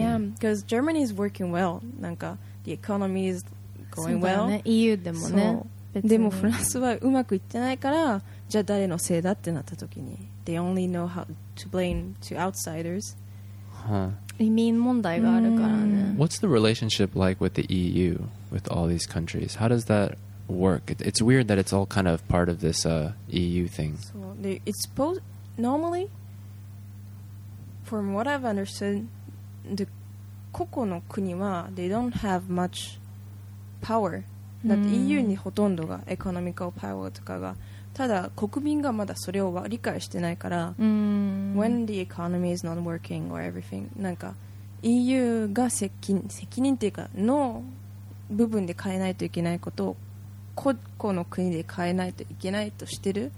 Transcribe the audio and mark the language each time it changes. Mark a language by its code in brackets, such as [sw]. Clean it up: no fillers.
[en] Yeah, because Germany is working well. [ja] なんか [en] the economy is going well. [ja] EU でもね。でもフランスはうまくいってないから、じゃあ誰のせいだってなった時に、 [en] they only know how to blame to outsiders. Huh. [ja] 移民問題があるからね。 [en] What's the relationship like with the EU, with all these countries? How does that work? It's weird that it's all kind of part of this EU thing. So it's supposed normally, from what I've understood, the [ja] 個々の国は [en] they don't have much power. [ja] だって EU にほとんどがエコノミカルパワーとかが、ただ国民がまだそれを理解してないから、うん、 [en] when the economy is not working or everything、 [ja] なんか EU が責任っていうかの部分で変えないといけないことを個々の国で変えないといけないとしてる、